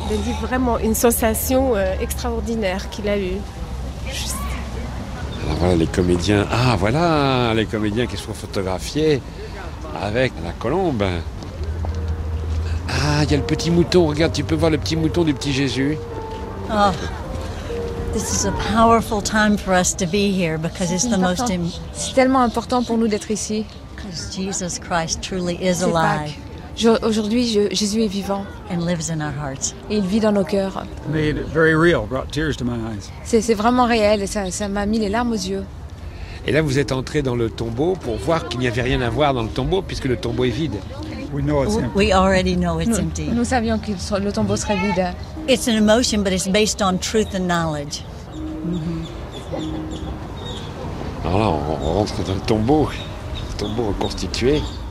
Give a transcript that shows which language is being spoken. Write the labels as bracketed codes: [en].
[fr] Il a dit vraiment une sensation extraordinaire qu'il a eue. Alors voilà les comédiens. Ah voilà les comédiens qui sont photographiés avec la colombe. Ah, il y a le petit mouton. Regarde, tu peux voir le petit mouton du petit Jésus. [en] Oh, this is a powerful time for us to be here because it's the most [fr] important. C'est tellement important pour nous d'être ici. [en] Because Jesus Christ truly is alive. [fr] Aujourd'hui, Jésus est vivant. [en] And lives in our hearts. [fr] Et il vit dans nos cœurs. [en] Made it very real, brought tears to my eyes. [fr] C'est vraiment réel et ça m'a mis les larmes aux yeux. Et là, vous êtes entré dans le tombeau pour voir qu'il n'y avait rien à voir dans le tombeau puisque le tombeau est vide. [en] We know it's empty. We already know it's empty. Nous savions que le tombeau serait vide. It's an emotion, but it's based on truth and knowledge. Mm-hmm. [fr] Alors là, on rentre dans le tombeau reconstitué.